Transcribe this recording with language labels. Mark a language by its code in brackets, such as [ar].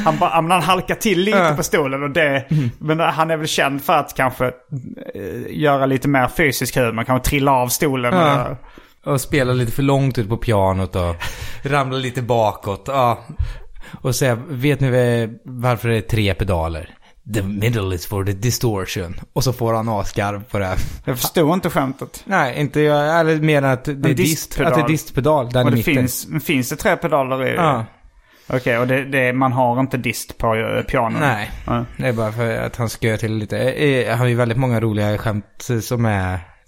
[sv] Han halkade till lite på stolen. Och det, men han är väl känd för att kanske göra lite mer fysisk humor. Man kan trilla av stolen. Ja. Och spela lite för långt ut på pianot och ramla lite bakåt. Ja. Och säga, vet ni varför det är tre pedaler? [en] The middle is for the distortion. [sv] Och så får han askar på det. Jag förstår inte skämtet. Nej, inte jag. Eller mer än att det är distpedal. Att det är distpedal där i mitten. Finns det tre pedaler i det? Ja. Okej, och man har inte dist på pianon. Nej, det är bara för att han skör till lite. Han har ju väldigt många roliga skämt som är...